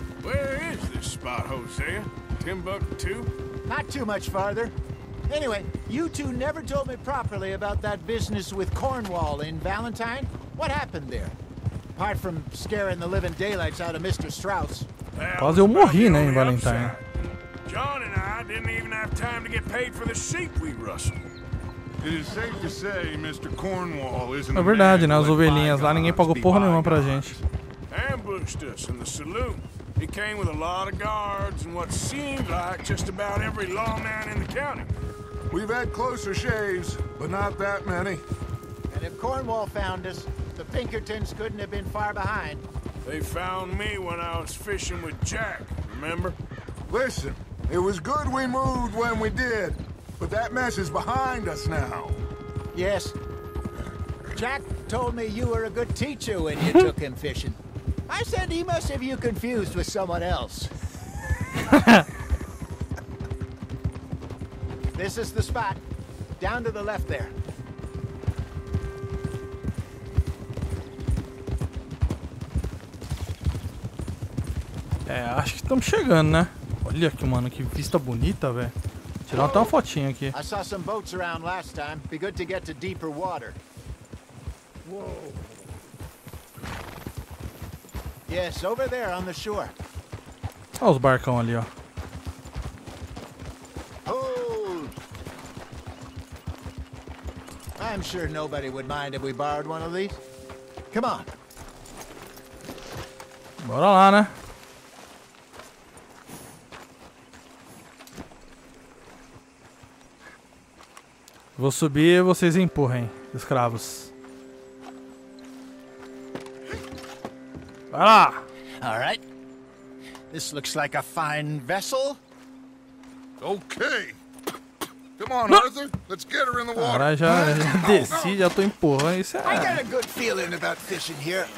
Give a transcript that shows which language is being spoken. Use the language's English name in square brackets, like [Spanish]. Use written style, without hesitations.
[English] Where is this spot, Hosea? Timbuktu? Not too much farther. Anyway, you two never told me properly about that business with Cornwall in Valentine. What happened there? Apart from scaring the living daylights out of Mr. Strauss. [Portuguese] Quase eu morri, né, em Valentine. [English] John and I didn't even have time to get paid for the sheep we rustled. It is safe to say Mr. Cornwall isn't. [Portuguese] É verdade, né, as ovelhinhas lá ninguém pagou porra nenhuma pra gente. [English] Ambushed us in the saloon. He came with a lot of guards and what seemed like just about every lawman in the county. We've had closer shaves, but not that many. And if Cornwall found us, the Pinkertons couldn't have been far behind. They found me when I was fishing with Jack, remember? Listen, it was good we moved when we did, but that mess is behind us now. Yes. Jack told me you were a good teacher when you took him fishing. I said he must have you confused with someone else. This is the spot. Down to the left there. [Portuguese] É, acho que estamos chegando, né? Olha aqui, mano, que vista bonita, velho. Tirar até uma fotinha aqui. [English] I saw some boats around last time. Be good to get to deeper water. Whoa. Yes, over there on the shore. [Portuguese] Olha os barcão ali, ó. [English] Hold. I'm sure nobody would mind if we borrowed one of these. Come on. [Portuguese] Bora lá, né? Vou subir e vocês empurrem, escravos. Vai lá! [English] All right. This looks like a fine vessel. Okay. Come on, Arthur. Let's get her in the water. [Portuguese] Agora já desci, já tô empurrando. Isso é. [English] I got a good feeling about fishing here.